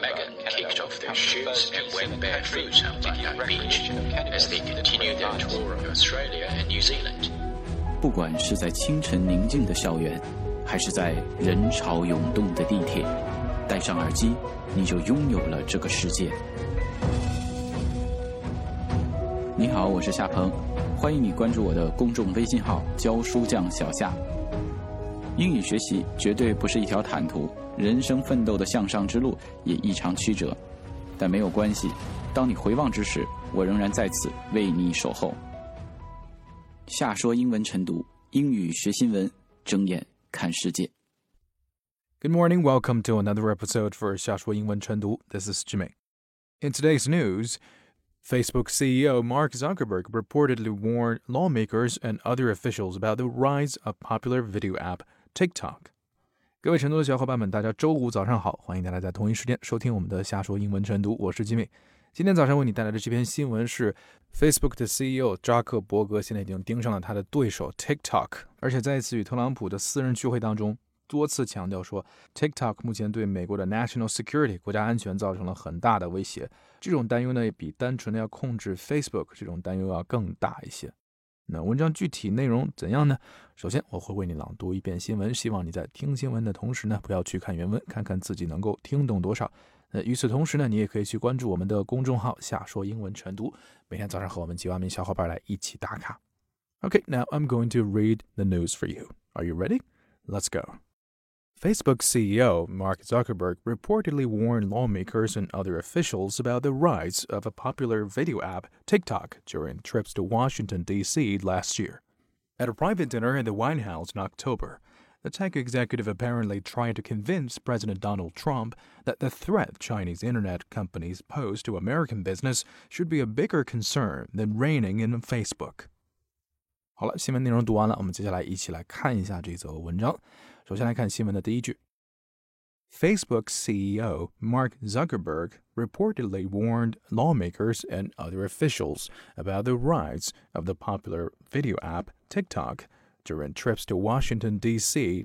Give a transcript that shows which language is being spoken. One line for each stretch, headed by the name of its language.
English: Megan kicked off their shoes and went barefoot on Bondi Beach as they continued their tour of Australia and New Zealand.
Chinese: 不管是在清晨宁静的校园，还是在人潮涌动的地铁，戴上耳机，你就拥有了这个世界。你好，我是夏鹏，欢迎你关注我的公众微信号“教书匠小夏”。英语学习绝对不是一条坦途，人生奋斗的向上之路也异常曲折，但没有关系，当你回望之时，我仍然在此为你守候。夏说英文晨读，英语学新闻，睁眼看世界。
English: Good morning, welcome to another episode for 夏说英文晨读。This is Jimmy. In today's news, Facebook CEO Mark Zuckerberg reportedly warned lawmakers and other officials about the rise of popular video app TikTok.
Chinese: 各位晨读的小伙伴们，大家周五早上好，欢迎大家在同一时间收听我们的夏说英文晨读，我是 Jimmy。今天早上为你带来的这篇新闻是 Facebook 的 CEO 扎克伯格现在已经盯上了他的对手 TikTok， 而且在一次与特朗普的私人聚会当中多次强调说 TikTok 目前对美国的
English: national security
Chinese: 国家安全造成了很大的威胁。这种担忧呢，比单纯的要控制 Facebook 这种担忧要更大一些。那文章具体内容怎样呢？首先我会为你朗读一遍新闻，希望你在听新闻的同时呢，不要去看原文，看看自己能够听懂多少。与此同时呢，你也可以去关注我们的公众号夏说英文晨读，每天早上和我们几万名小伙伴来一起打卡。
English: Okay, now I'm going to read the news for you. Are you ready? Let's go. Facebook CEO Mark Zuckerberg reportedly warned lawmakers and other officials about the rise of a popular video app, TikTok, during trips to Washington, D.C. last year. At a private dinner in the White House in October,The tech executive apparently tried to convince President Donald Trump that the threat Chinese internet companies pose to American business should be a bigger concern than reigning in Facebook.
Chinese: 好了，新闻内容读完了，我们接下来一起来看一下这则文章。首先来看新闻的第一句。
English: Facebook CEO Mark Zuckerberg reportedly warned lawmakers and other officials about the rise of the popular video app TikTok,and trips to Washington, D.C.